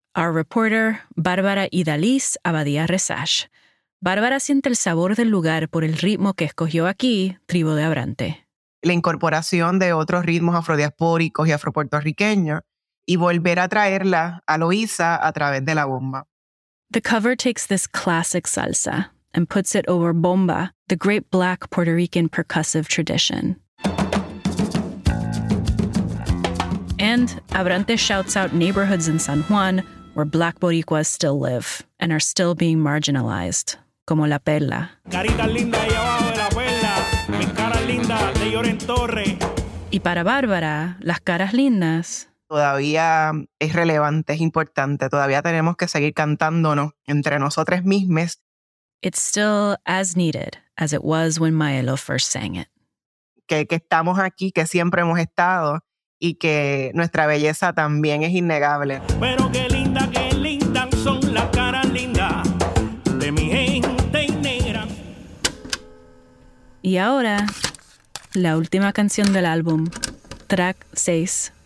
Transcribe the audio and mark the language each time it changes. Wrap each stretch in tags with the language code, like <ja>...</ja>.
<en>Our reporter, Bárbara Idaliz Abadía Resash.</en> <es>Bárbara siente el sabor del lugar por el ritmo que escogió aquí, Tribu de Abrante. La incorporación de otros ritmos afrodiaspóricos y afropuertorriqueños y volver a traerla a Loíza a través de la bomba.</es> <en>The cover takes this classic salsa and puts it over bomba, the great Black Puerto Rican percussive tradition. And Abrante shouts out neighborhoods in San Juan where Black Boricuas still live and are still being marginalized,</en> <es>como La Perla. Carita linda y abajo de la perla, mis caras lindas de llora en torre. Y para Bárbara, las caras lindas todavía es relevante, es importante. Todavía tenemos que seguir cantándonos entre nosotras mismas.</es> <en>It's still as needed as it was when Maelo first sang it.</en> <es>Que estamos aquí, que siempre hemos estado y que nuestra belleza también es innegable. Pero qué linda son las caras lindas de mi gente negra. Y ahora, la última canción del álbum, track 6.</es>